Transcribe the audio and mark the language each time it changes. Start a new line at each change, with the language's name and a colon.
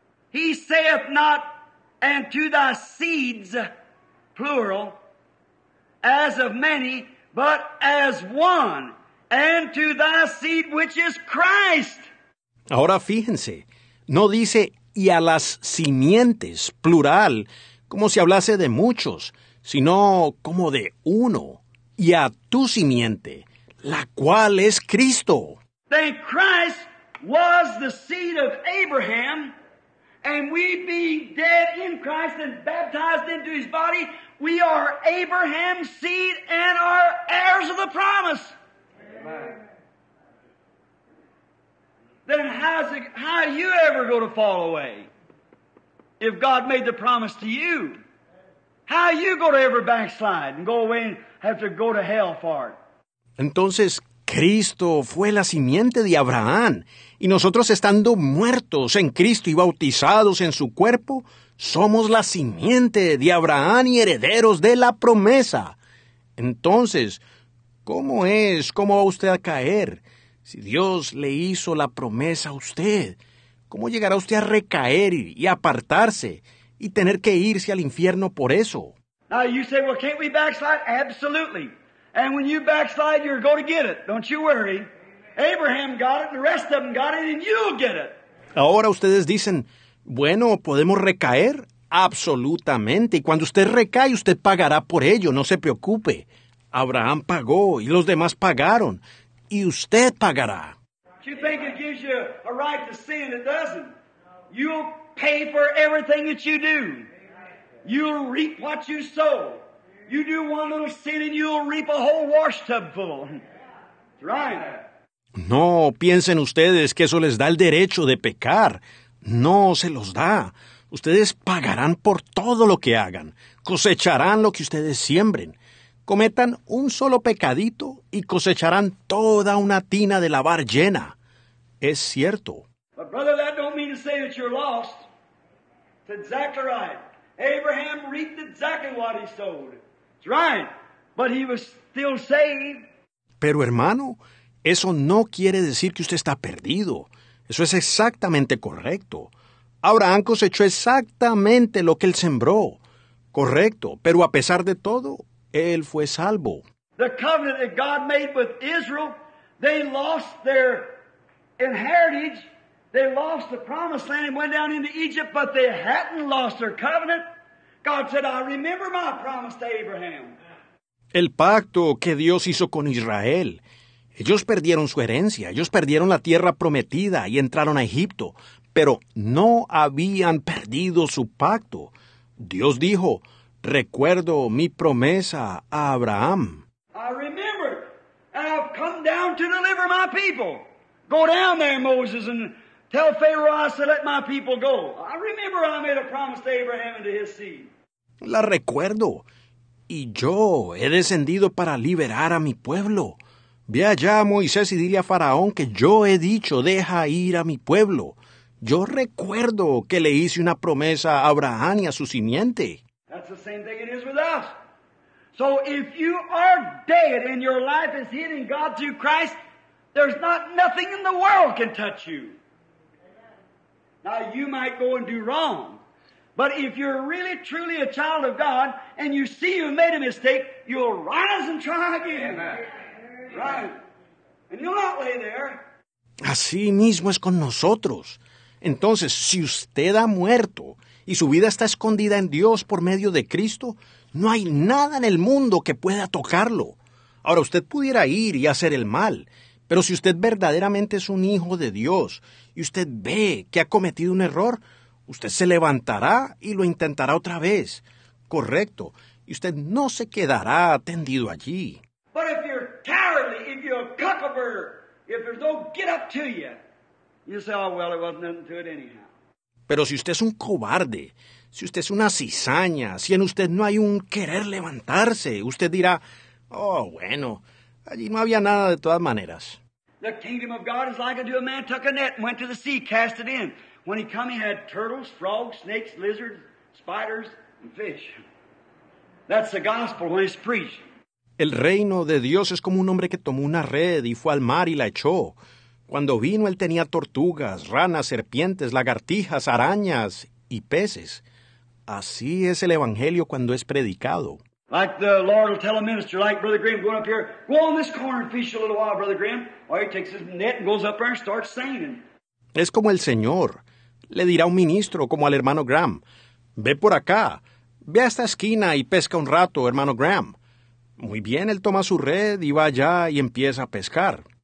English: He saith not, and to thy seeds, plural, as of many, but as one, and to thy seed which is Christ.
Spanish: Ahora fíjense, no dice y a las simientes, plural, como si hablase de muchos, sino como de uno, y a tu simiente, la cual es Cristo.
English: Then Christ was the seed of Abraham, and we being dead in Christ and baptized into his body, we are Abraham's seed and are heirs of the promise. Amen. Then how are you ever going to fall away if God made the promise to you? How are you going to ever backslide and go away and have to go to hell for it?
Spanish: Entonces, Cristo fue la simiente de Abraham, y nosotros estando muertos en Cristo y bautizados en su cuerpo, somos la simiente de Abraham y herederos de la promesa. Entonces, ¿cómo va usted a caer? Si Dios le hizo la promesa a usted, ¿cómo llegará usted a recaer y apartarse y tener que irse al infierno por eso?
English: Now you say, well, can't we backslide? Absolutely. And when you backslide, you're going to get it. Don't you worry. Abraham got it, and the rest of them got it, and you'll get it.
Spanish: Ahora ustedes dicen, bueno, ¿podemos recaer? Absolutamente. Y cuando usted recae, usted pagará por ello. No se preocupe. Abraham pagó y los demás pagaron. Y usted pagará.
English: You think it gives you a right to sin? It doesn't. You'll pay for everything that you do. You'll reap what you sow. You do one little sin and you'll reap a whole washtub full. That's right.
Spanish: No piensen ustedes que eso les da el derecho de pecar. No se los da. Ustedes pagarán por todo lo que hagan. Cosecharán lo que ustedes siembren. Cometan un solo pecadito y cosecharán toda una tina de lavar llena. Es cierto.
English: But brother, that don't mean to say that you're lost. It's exactly right. Abraham reaped exactly what he sowed. It's right. But he was still saved.
Spanish: Pero hermano, eso no quiere decir que usted está perdido. Eso es exactamente correcto. Abraham cosechó exactamente lo que él sembró. Correcto. Pero a pesar de todo, él fue salvo.
English: The covenant that God made with Israel, they lost their inheritance, they lost the promised land and went down into Egypt, but they hadn't lost their covenant. God said, I remember my promise to Abraham.
Spanish: El pacto que Dios hizo con Israel, ellos perdieron su herencia, ellos perdieron la tierra prometida y entraron a Egipto, pero no habían perdido su pacto. Dios dijo, recuerdo mi promesa a Abraham.
English: I remember, and I've come down to deliver my people. Go down there, Moses, and tell Pharaoh I said, let my people go. I remember I made a promise to Abraham and to his seed.
Spanish: La recuerdo, y yo he descendido para liberar a mi pueblo. Ve allá, Moisés, y dile a Faraón que yo he dicho, deja ir a mi pueblo. Yo recuerdo que le hice una promesa a Abraham y a su simiente.
English: That's the same thing it is with us. So if you are dead and your life is hidden in God through Christ, there's not nothing in the world can touch you. Now you might go and do wrong, but if you're really truly a child of God and you see you've made a mistake, you'll rise and try again. Right. And you'll not lay there.
Spanish: Así mismo es con nosotros. Entonces, si usted ha muerto y su vida está escondida en Dios por medio de Cristo, no hay nada en el mundo que pueda tocarlo. Ahora, usted pudiera ir y hacer el mal, pero si usted verdaderamente es un hijo de Dios y usted ve que ha cometido un error, usted se levantará y lo intentará otra vez. Correcto. Y usted no se quedará tendido allí.
English: But if you're cowardly, if you're a cuckabur, if there's no get up to you, you say, oh, well, it wasn't nothing to it anyhow.
Spanish: Pero si usted es un cobarde, si usted es una cizaña, si en usted no hay un querer levantarse, usted dirá, oh, bueno, allí no había nada de todas maneras.
English: The kingdom of God is like unto a man took a net and went to the sea, cast it in. When he came, he had turtles, frogs, snakes, lizards, spiders, and fish. That's the gospel when it's preached.
Spanish: El reino de Dios es como un hombre que tomó una red y fue al mar y la echó. Cuando vino, él tenía tortugas, ranas, serpientes, lagartijas, arañas y peces. Así es el evangelio cuando es predicado.
English: Like the Lord will tell a minister, like Brother Graham going up here, go on this corner and fish a little while, Brother Graham. Or he takes his net and goes up there and starts seining.
Spanish: Es como el Señor. Le dirá un ministro, como al hermano Graham, ve por acá, ve a esta esquina y pesca un rato, hermano Graham. Muy bien, él toma su red y va allá y empieza a pescar.